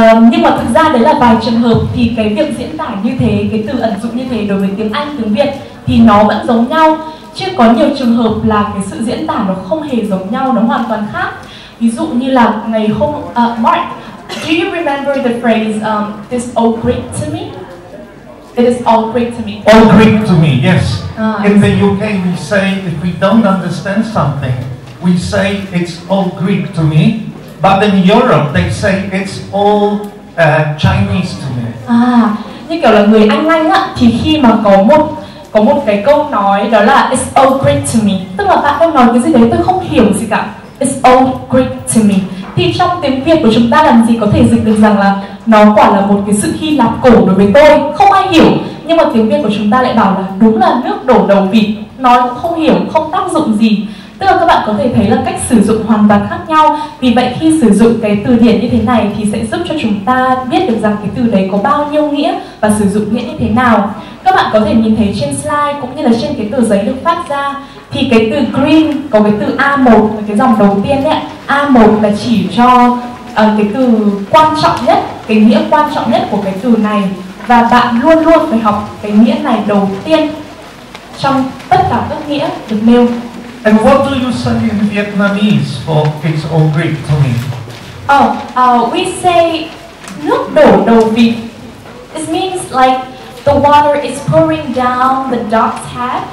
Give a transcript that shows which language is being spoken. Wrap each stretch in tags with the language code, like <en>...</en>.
<vi>Nhưng mà thực ra đấy là vài trường hợp, thì cái việc diễn tả như thế, cái từ ẩn dụ như thế đối với tiếng Anh, tiếng Việt thì nó vẫn giống nhau, chứ có nhiều trường hợp là cái sự diễn tả nó không hề giống nhau, nó hoàn toàn khác. Ví dụ như là ngày hôm</vi> <en>Mark, do you remember the phrase "this all Greek to me"? It is all Greek to me. All Greek to me. Yes. In the UK, we say if we don't understand something, we say it's all Greek to me. But in Europe, they say it's all Chinese to me.</en> <vi>Như kiểu là người Anh Anh á, thì khi mà có một cái câu nói đó là</vi> <en>"it's all Greek to me",</en> <vi>tức là bạn đang nói cái gì đấy tôi không hiểu gì cả.</vi> <en>It's all Greek to me.</en> <vi>Thì trong tiếng Việt của chúng ta làm gì có thể dịch được rằng là nó quả là một cái sự Hy Lạp cổ đối với tôi, không ai hiểu. Nhưng mà tiếng Việt của chúng ta lại bảo là đúng là nước đổ đầu vịt, nó không hiểu, không tác dụng gì. Tức là các bạn có thể thấy là cách sử dụng hoàn toàn khác nhau. Vì vậy khi sử dụng cái từ điển như thế này thì sẽ giúp cho chúng ta biết được rằng cái từ đấy có bao nhiêu nghĩa và sử dụng nghĩa như thế nào. Các bạn có thể nhìn thấy trên slide cũng như là trên cái tờ giấy được phát ra, thì cái từ green có cái từ A1, cái dòng đầu tiên ấy, A1 là chỉ cho cái từ quan trọng nhất, cái nghĩa quan trọng nhất của cái từ này. Và bạn luôn luôn phải học cái nghĩa này đầu tiên trong tất cả các nghĩa được nêu.</vi> <en>And what do you say in Vietnamese for "it's all Greek to me"? We say</en> <vi>nước đổ đầu vịt.</vi> <en>It means like the water is pouring down the duck's head.</en>